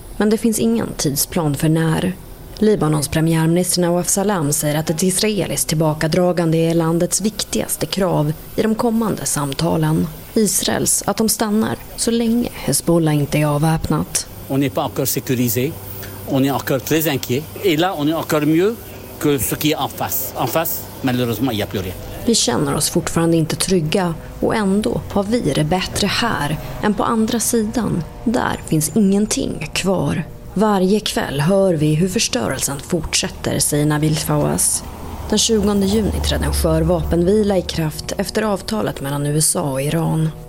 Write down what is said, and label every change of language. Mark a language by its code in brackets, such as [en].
[sv] Men det finns ingen tidsplan för när. Libanons premiärminister Nawaf Salam säger att ett israeliskt tillbakadragande är landets viktigaste krav i de kommande samtalen. Israels att de stannar så länge Hezbollah inte är avväpnat. [fr] On n'est pas encore sécurisé. On est encore très inquiet. Et là, on est encore mieux que ce qui est en face. En face, malheureusement, il n'y a plus rien. [sv] Vi känner oss fortfarande inte trygga och ändå har vi det bättre här än på andra sidan. Där finns ingenting kvar. Varje kväll hör vi hur förstörelsen fortsätter, säger Nabil Fawaz. Den 20 juni trädde en skör vapenvila i kraft efter avtalet mellan USA och Iran.